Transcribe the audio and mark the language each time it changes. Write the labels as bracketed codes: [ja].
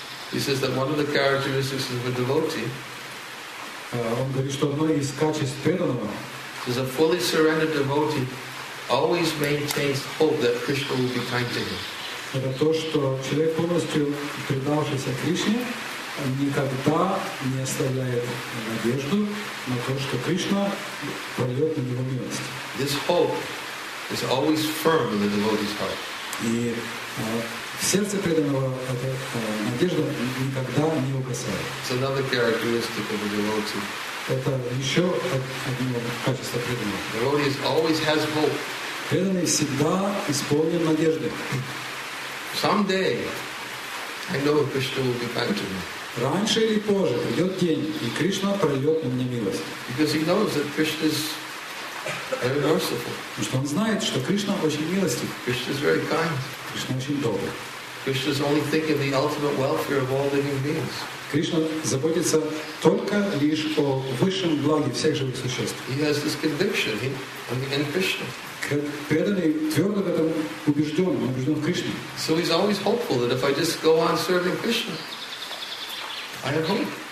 [en] He says that one of the characteristics of a devotee [ru] он говорит, что одно из качеств преданного [en] is a fully surrendered devotee always maintains hope that Krishna will be kind to him. [ru] Это то, что человек полностью предавшийся Кришне никогда не оставляет надежду на то, что Кришна пройдет на него милость. [en] This hope is always firm in the devotee's heart. [ru] И в сердце преданного эта надежда никогда не угасает. [en] It's another characteristic of a devotee. [ru] Это еще одно качество преданного. [en] The devotee always has hope. [ru] Преданный всегда исполнен надежды. [en] Someday, I know Krishna will be kind to me. [ru] Раньше или позже придет день, и Кришна прольет на меня милость. [en] Because he knows that Krishna is very merciful. [ru] Потому что он знает, что Кришна очень милостив. [en] Krishna is very kind. [ru] Кришна очень добрый. [en] Krishna is only thinking of the ultimate welfare of all living beings. [ru] Кришна заботится только лишь о высшем благе всех живых существ. [en] He has this conviction in Krishna. [ru] Преданный твердо в этом убежден, он убежден в Кришне. [en] So he's always hopeful that if I just go on serving Krishna, I have hope.